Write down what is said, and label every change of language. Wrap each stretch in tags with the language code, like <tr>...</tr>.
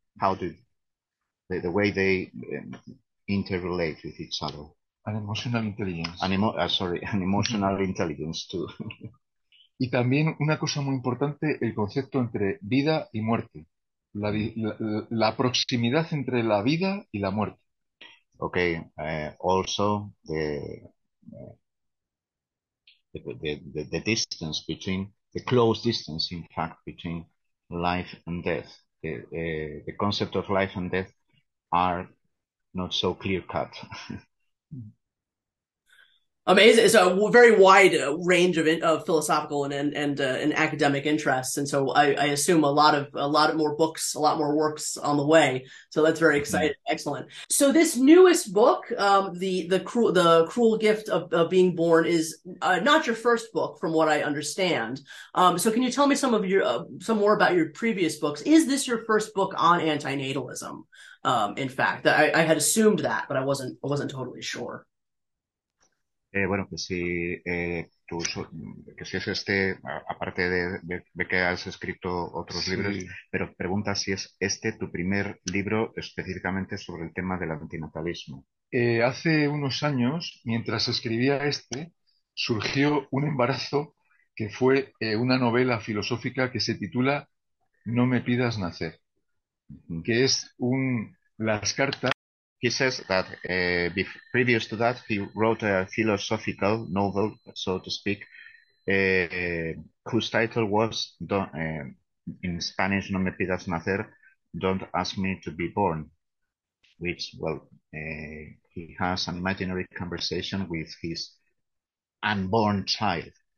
<en>How do the way they interrelate with each other? An emotional intelligence. An emotional intelligence too.</en> <es>Y también una cosa muy importante, el concepto entre vida y muerte. La proximidad entre la vida y la muerte.</es> <en>Okay, also the distance between, the close distance, in fact, between life and death. The concept of life and death are not so clear cut. Amazing. It's a very wide range of philosophical and academic interests. And so I assume a lot more books, a lot more works on the way. So that's very exciting. Mm-hmm. Excellent. So this newest book, the Cruel Gift of Being Born, is not your first book, from what I understand. So can you tell me some more about your previous books? Is this your first book on antinatalism? In fact, I had assumed that, but I wasn't totally sure.</en> <es>Bueno, que si tú, que si es este, aparte de que has escrito otros sí. libros, pero pregunta si es este tu primer libro específicamente sobre el tema del antinatalismo. Hace unos años, mientras escribía este, surgió un embarazo que fue una novela filosófica que se titula No me pidas nacer, que es un las cartas.</es> <en>He says that previous to that, he wrote a philosophical novel, so to speak, whose title was, in Spanish, No me pidas nacer, Don't ask me to be born, which, well, he has an imaginary conversation with his unborn child.</en>